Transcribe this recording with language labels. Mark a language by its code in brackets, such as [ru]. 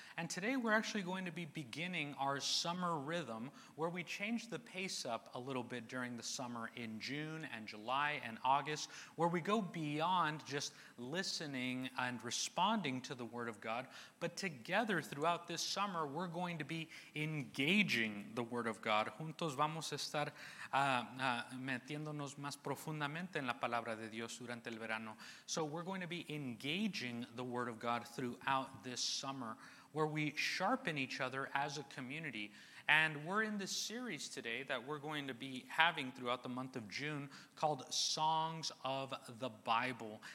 [en] And today we're actually going to be beginning our summer rhythm where we change the pace up a little bit during the summer in June and July and August, where we go beyond just listening and responding to the Word of God, but together throughout this summer, we're going to be engaging the Word of God. [es] Juntos vamos a estar metiéndonos más profundamente en la palabra de Dios durante el verano. [en] So we're going to be engaging the Word of God throughout this summer, where we sharpen each other as a community. And we're in this series today that we're going to be having throughout the month of June called Songs of the Bible.